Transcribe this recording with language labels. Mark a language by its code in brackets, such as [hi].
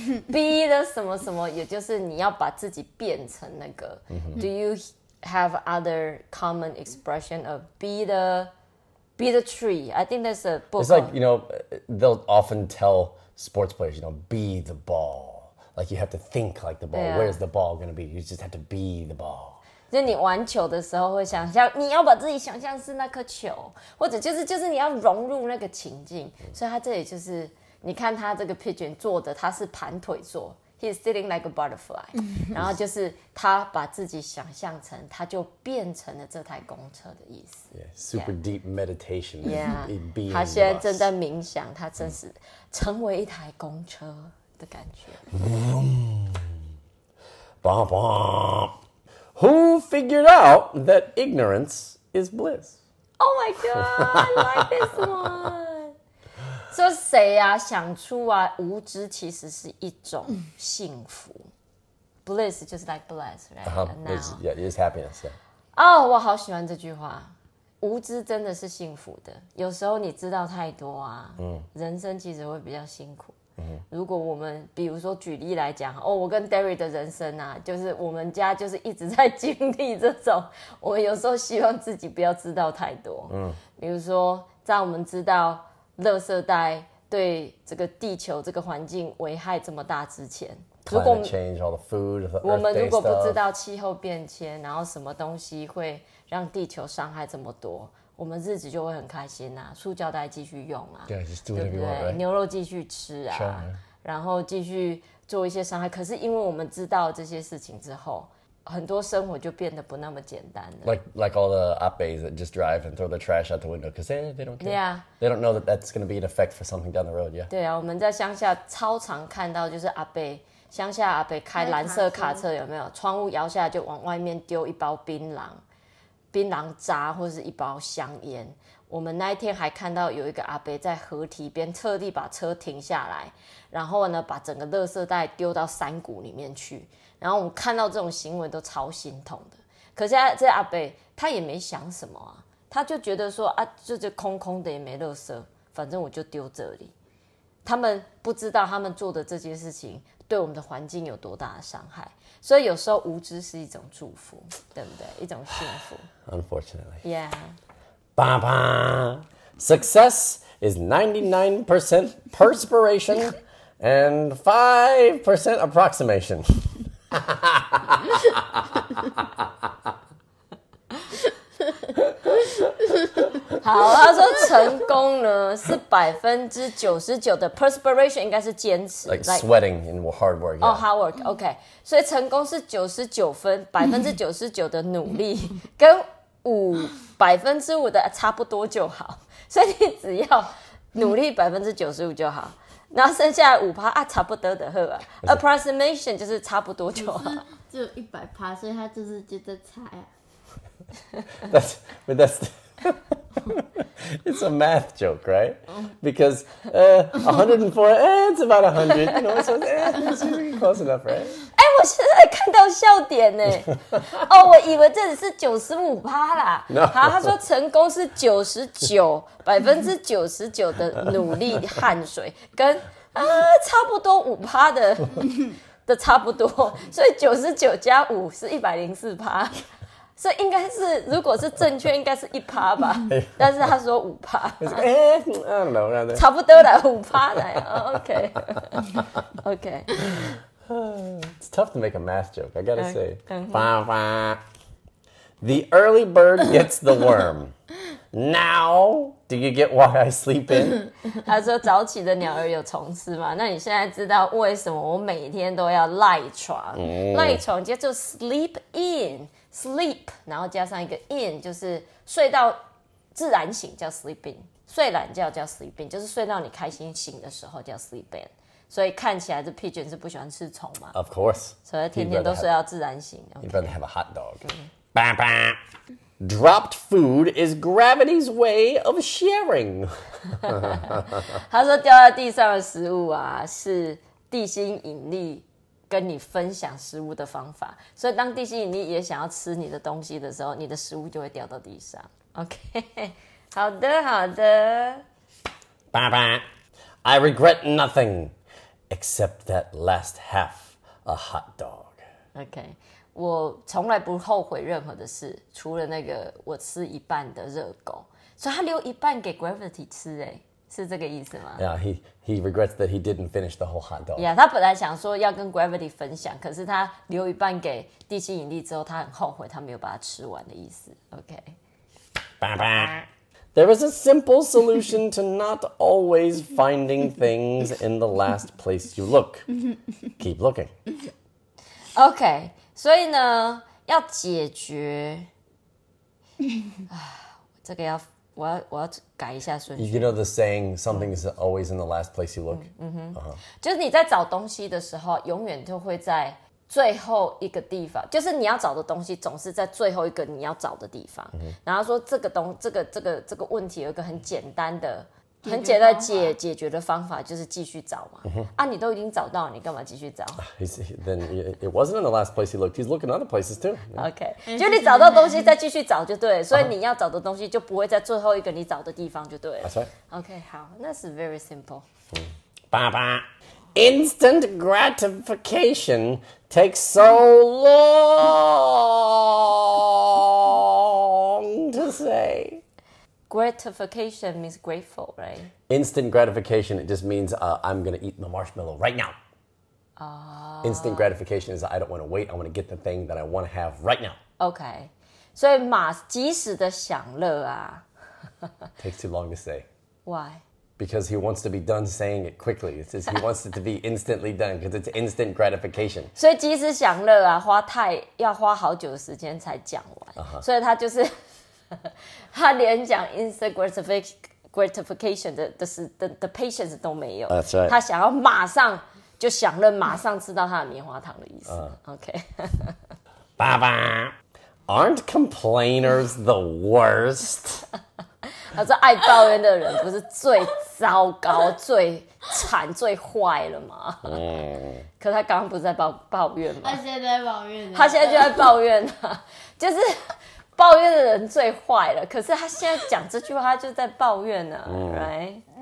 [en] Be the [zh] 什么什么也就是你要把自己变成那个。 [en] Do you... have other common expression of be the tree. I think that's a book. It's like, you know, they'll often tell sports players, you know, be the ball. Like you have to think like the ball. Yeah. Where's the ball going to be? You just have to be the ball. [zh] 就你玩球的时候会想象，你要把自己想象是那颗球，或者就是你要融入那个情境。所以他这里就是，你看他这个 pigeon 坐的，他是盘腿坐。 [en] He's sitting like a butterfly. [zh] 然后就是他把自己想象成，他就变成了这台公车的意思。 [en] Yeah, super deep meditation. [zh] Yeah, 他现在正在冥想，他真是成为一台公车的感觉。 Bah bah. [en] Who figured out that ignorance is bliss? Oh my god, I like this one. [zh] 这谁啊想出啊无知其实是一种幸福。 [en] Bliss, just like bliss, right? Yeah, it's happiness, yeah. [zh] 哦、oh, 我好喜欢这句话。无知真的是幸福的。有时候你知道太多啊、mm. 人生其实会比较辛苦。Mm-hmm. 如果我们比如说举例来讲哦我跟 Derry 的人生啊就是我们家就是一直在经历这种我们有时候希望自己不要知道太多。嗯、mm. 比如说在我们知道垃圾袋对这个地球这个环境危害这么大之前如果 [en] change, all the food, the [zh] 我们如果不知道气候变迁然后什么东西会让地球伤害这么多我们日子就会很开心啊塑胶袋继续用啊 [en] yeah, just do [zh] 对不对 [en] want,、right? [zh] 牛肉继续吃啊、 [en] sure. [zh] 然后继续做一些伤害可是因为我们知道这些事情之后很多生活就变得不那么简单了。 [en] Like all the abbes that just drive and throw the trash out the window because they don't care. Yeah. They don't know that that's going to be an effect for something down the road, yeah. [zh] 对啊，我们在乡下超常看到就是阿伯，乡下阿伯开蓝色卡车有没有？窗户摇下来就往外面丢一包槟榔，槟榔渣或是一包香烟。我们那一天还看到有一个阿伯在河堤边特地把车停下来，然后呢把整个垃圾袋丢到山谷里面去。然后我们看到这种行为都超心痛的。可是这阿伯他也没想什么啊，他就觉得说啊，就空空的也没垃圾，反正我就丢这里。他们不知道他们做的这件事情对我们的环境有多大的伤害。所以有时候无知是一种祝福，对不对？一种幸福。 [en] Unfortunately. Yeah. Ba ba. Success is 99% perspiration and 5% approximation. [zh] 好，他说成功呢是99%的 perspiration， 应该是坚持 [en] like sweating and hard work、 yeah. oh hard work OK， [zh] 所以成功是99%99%的努力跟5%的差不多就好，所以你只要努力95%就好，然后剩下5%啊差不多的呵、啊、approximation 就是差不多就好，就100%，所以他就是觉得差啊 [en] that's it's a math joke, right? Because 104, it's about 100. You know, so it's really close enough, right? [zh] 哎，我现在看到笑点呢。哦，我以为这只是95%啦。好，他说成功是99%的努力汗水跟差不多5%的差不多，所以99+5是104%。所以应该是，如果是正确，应该是1%吧。但是他说5%。差不多了，5%来。OK. [en] It's tough to make a math joke, I gotta say. Bah, bah. The early bird gets the worm. Now, do you get why I sleep in? [zh] 他说早起的鸟儿有虫吃嘛？那你现在知道为什么我每天都要赖床？赖床叫做 sleep in。Sleep， 然后加上一个 in， 就是睡到自然醒叫 sleeping， 睡懒觉叫 sleeping， 就是睡到你开心醒的时候叫 sleeping。所以看起来这 pigeon 是不喜欢吃虫嘛 [en] ？Of course。 [zh] 所以天天都睡到自然醒。 [en] You better have a hot dog.、Mm-hmm. Bah, bah. Dropped food is gravity's way of sharing 。 [zh] 他说掉在地上的食物啊，是地心引力。跟你分享食物的方法，所以当地心引力也想要吃你的东西的时候，你的食物就会掉到地上。 OK， 好的，好的。 [en] 爸爸 ，I regret nothing except that last half a hot dog。 [zh] OK， 我从来不后悔任何的事，除了那个我吃一半的热狗，所以他留一半给 Gravity 吃、欸，哎。是这个意思吗 [en] ？Yeah, he regrets that he didn't finish the whole hot dog. [zh] Yeah, 他本来想说要跟 Gravity 分享，可是他留一半给地心引力之后，他很后悔他没有把它吃完的意思。 [en] OK. Bah, bah. There is a simple solution to not always finding things in the last place you look. Keep looking. [zh] OK. 所以呢，要解决这个要。我要改一下顺序。 [en] You know the saying, something is always in the last place you look. 嗯, 嗯哼、uh-huh. [zh] 就是你在找东西的时候，永远都会在最后一个地方，就是你要找的东西总是在最后一个你要找的地方。嗯、然后说这个问题有一个很简单的、很简单解决的方法，就是继续找嘛。嗯、啊，你都已经找到，你干嘛继续找 [en] ？Then it wasn't in the last place he looked. He's looking other places too.、 Yeah. [zh] OK， 就你找到东西再继续找就对了，所以你要找的东西就不会在最后一个你找的地方就对了。 [en] That's right. [zh] OK， 好，那是 [en] very simple。爸爸 ，instant gratification takes so long to say. Gratification means grateful, right? Instant gratification, it just means、I'm going to eat my marshmallow right now.、Instant gratification is I don't want to wait. I want to get the thing that I want to have right now. [zh] Okay. 所以马即时的享乐啊。 [en] Takes too long to say. Why? Because he wants to be done saying it quickly. It's just he wants it to be instantly done because it's instant gratification. [zh] 所以即时享乐啊花太要花好久的时间才讲完。 Uh-huh. 所以他就是。他连讲 instant gratification 的 patience 都没有、 [en] right. [zh] 他想要马上就享乐马上吃到他的棉花糖的意思、OK [en] 爸爸 Aren't complainers the worst? [zh] 他说爱抱怨的人不是最糟糕最惨最坏了吗、可他刚刚不是在抱怨吗他现在在抱怨他现在就在抱怨就是抱怨的人最坏了，可是他现在讲这句话，他就在抱怨呢、right?